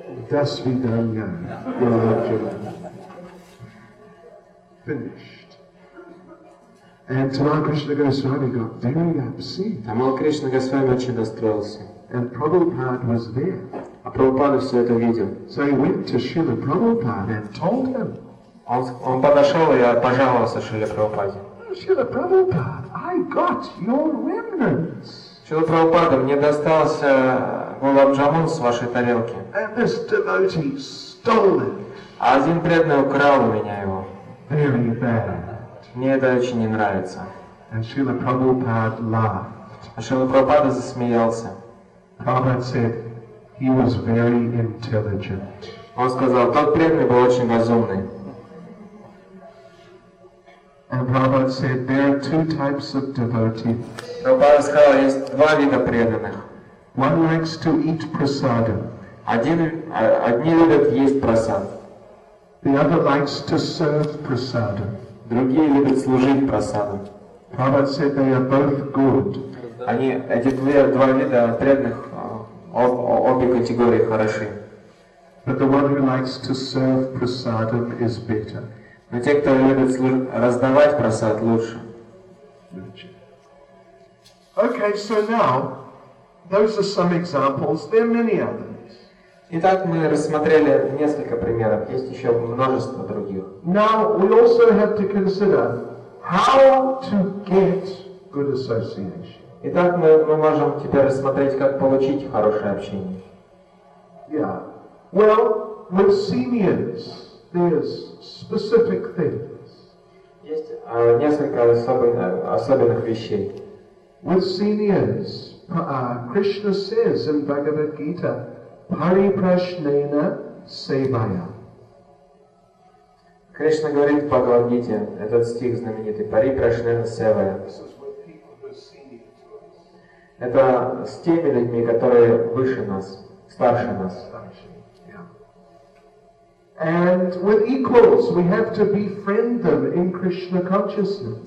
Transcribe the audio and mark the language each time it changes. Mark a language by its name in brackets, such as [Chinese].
[English] Thus we done now. Gulab jamun. Finished. And Tamal Krishna Goswami got very upset. [Russian] Tamal Krishna Goswami очень расстроился. [English] And Prabhupada was there. [Russian] А Прабхупада все это видел. [English] So he went to Srila Prabhupada and told him. [Russian] Он подошел и пожаловался Шриле Прабхупаде. [English] Srila Prabhupada, I got your remnants. [Russian] Шрила Прабхупада, мне достался gulab jamun с вашей тарелки. [English] And this devotee stole it. [Russian] А один преданный украл у меня его. [English] very bad. [Russian] Мне это очень не нравится. [English] And Srila Prabhupada laughed. [Russian] Шрила Прабхупада засмеялся. [English] Prabhupada said he was very intelligent. [Russian] Он сказал, тот преданный был очень разумный. [English] And Prabhupada said there are two types of devotees. [Russian] Прабхупада сказал, есть два вида преданных. [English] One likes to eat prasada. [Russian] Одни любят есть прасад. [English] The other likes to serve prasada. [Russian] Другие любят служить прасаду. [English] Prabhupada said they are both good. [Russian] Они, эти два вида преданных, обе категории хороши. [English] But the one who likes to serve prasadam is better. [Russian] Но те, кто любит раздавать прасад, лучше. [English] Okay, so now, those are some examples. There are many others. [Russian] Итак, мы рассмотрели несколько примеров. Есть еще множество других. [English] Now, we also have to consider how to get good association. [Russian] Итак, мы можем теперь рассмотреть, как получить хорошее общение. [English] Yeah. Well, with seniors, there's specific things. [Russian] Есть несколько особенных вещей. [English] With seniors, Krishna says in Bhagavad Gita, Pariprashnena Sevaya. [Russian] Кришна говорит в Бхагавад Гите, этот стих знаменитый, Pariprashnena Sevaya. Это с теми людьми, которые выше нас, старше нас. [English] And with equals, we have to befriend them in Krishna consciousness.